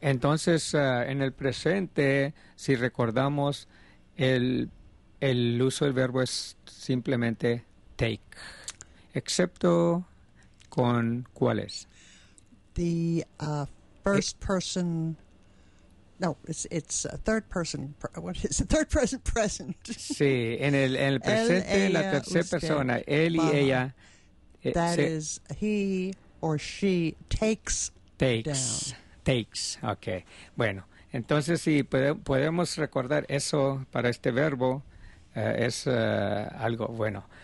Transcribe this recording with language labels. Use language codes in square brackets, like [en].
[es] Entonces, en el presente, si recordamos, el uso del verbo es simplemente take, excepto con cuáles. [en] The first person. No, it's a third person. What is it? Third person present. [es] Sí, en el presente, el, la tercera persona, él y ella. [en] That is he or she takes down. Takes, okay. [es] Bueno, entonces si podemos recordar eso para este verbo, es algo bueno.